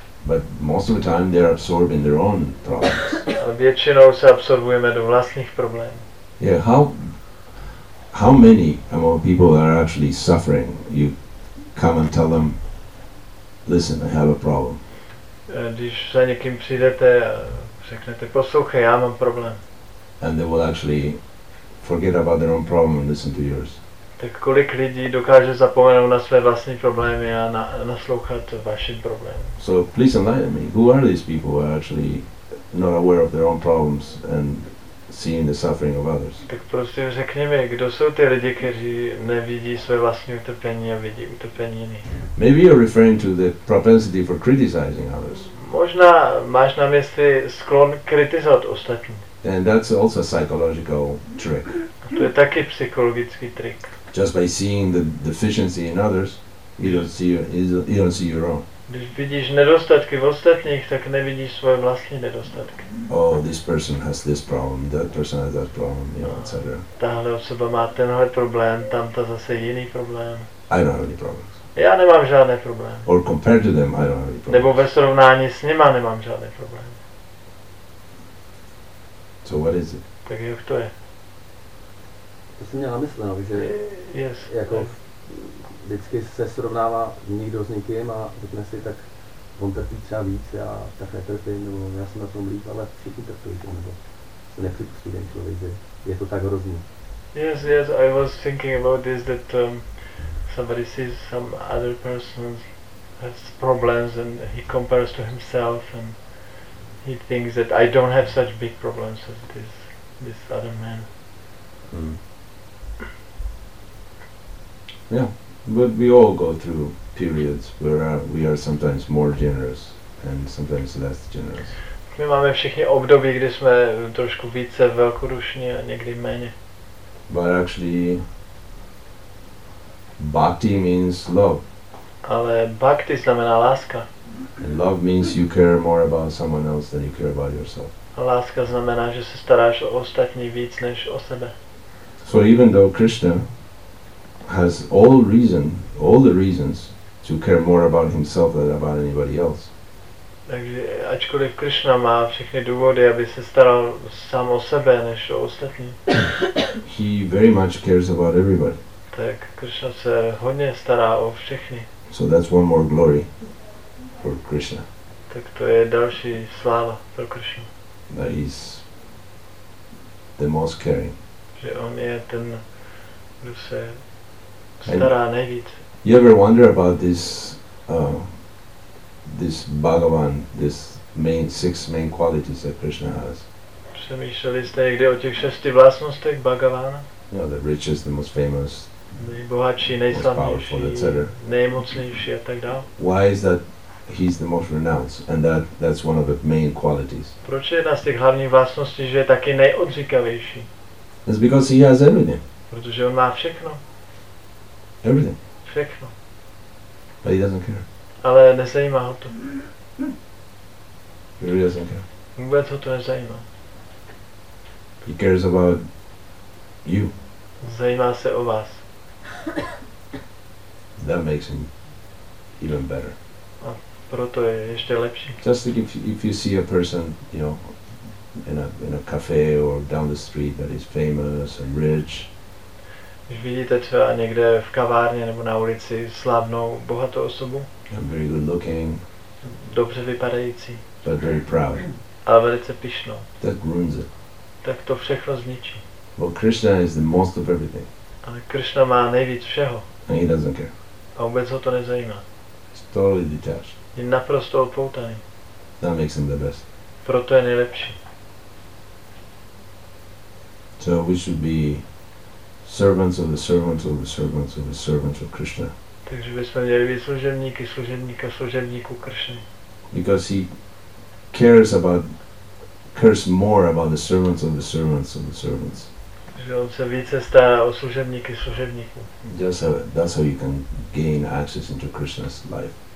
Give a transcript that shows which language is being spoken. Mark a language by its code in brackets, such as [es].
[en] But most of the time they are absorbed in their own problems. [cs] Ale většinou se absorbujeme do vlastních problémů. [en] Yeah, how many among people are actually suffering? You come and tell them, listen, I have a problem. [cs] Když za někým přijdete a řeknete, poslouchej, já mám problém. [en] And they will actually forget about their own problem and listen to yours. [cs] Tak kolik lidí dokáže zapomenout na své vlastní problémy a naslouchat vašim problémům? [en] So please enlighten me. Who are these people who are actually not aware of their own problems and seeing the suffering of others? [cs] Tak prosím, řekni mi, kdo jsou ty lidi, kteří nevidí své vlastní utrpení a vidí utrpení jiných? [en] Maybe you're referring to the propensity for criticizing others. [cs] Možná máš na mysli sklon kritizovat ostatní. [en] And that's also a psychological trick. [cs] To je taky psychologický trick. [en] Just by seeing the deficiency in others, you don't see your own. [cs] Když vidíš nedostatky v ostatních, tak nevidíš svoje vlastní nedostatky. [en] Oh, this person has this problem, that person has that problem, you know, etc. [cs] Tahle osoba má tenhle problém, tamta zase jiný problém. [en] I don't have any problems. [cs] Já nemám žádné problémy. [en] Or compared to them, I don't have any problems. [cs] Nebo ve srovnání s nima nemám žádné problémy. [en] So what is it? [cs] Tak jak to je? To jsem měl na mysli, no, že [en] yes, [cs] jako vždycky se srovnává nikdo s nikým a řekne si, tak on trpí třeba víc, já takhle trpím, nebo já jsem na tom líp, ale všichni trpí, nebo se nepřipustí ten člověk, že je to tak hrozný. [en] Yes, I was thinking about this, that somebody sees some other person has problems and he compares to himself and he thinks that I don't have such big problems as this other man. Mm. Yeah, but we all go through periods where we are sometimes more generous and sometimes less generous. [cs] My máme všichni období, kdy jsme trošku více velkodušní a někdy méně. [en] But actually, bhakti means love. [cs] Ale bhakti znamená láska. [en] And love means you care more about someone else than you care about yourself. [cs] A láska znamená, že se staráš o ostatní víc než o sebe. [en] So even though Krishna has all the reasons to care more about himself than about anybody else. [cs] Takže ačkoliv Krishna má všechny důvody, aby se staral sám o sebe než o ostatní. [en] He very much cares about everybody. [cs] Tak Krishna se hodně stará o všechny. [en] So that's one more glory for Krishna. [cs] Tak to je další sláva pro Krishna. [en] That he's the most caring. [cs] Že on je ten, kdo se stará nejvíc. [en] You ever wonder about this Bhagavan, this six main qualities that Krishna has? [cs] Přemýšleli jste někdy o těch šesti vlastnostech Bhagavana? [en] you know, the richest, the most famous, [cs] nejbohatší, nejslavnější, a tak dále. [en] Why is that he's the most renowned and that's one of the main qualities? [cs] Proč je jedna z těch hlavních vlastností, že je taky nejodříkavější? [en] It's because he has everything. [cs] Protože on má všechno. [en] Everything. [cs] Všechno. [en] But he doesn't care. [cs] Ale nezajímá ho to. [en] He really doesn't care. [cs] Vůbec ho to nezajímá. [en] He cares about you. [cs] Zajímá se o vás. [en] That makes him even better. [cs] A proto je ještě lepší. [en] Just like if you see a person, you know, in a cafe or down the street that is famous and rich. [cs] Když vidíte třeba někde v kavárně nebo na ulici slavnou, bohatou osobu. [en] And very good looking. [cs] Dobře vypadající. [en] But very proud. [cs] Ale velice pyšnou. [en] That ruins it. [cs] Tak to všechno zničí. [en] Well, Krishna is the most of everything. [cs] Ale Krishna má nejvíc všeho. [en] And he doesn't care. [cs] A vůbec ho to nezajímá. [en] He's totally detached. [cs] Je naprosto odpoutaný. [en] That makes him the best. [cs] Proto je nejlepší. [en] So we should be servants of the servants of the servants of the servants of Krishna. [cs] Takže bychom měli být služebníky služebníka služebníků Krishny. [en] Because he cares about, cares more about the servants of the servants of the servants. [cs] Že on se více stará o služebníky služebníků. [en] Just so that's how you can gain access into Krishna's life.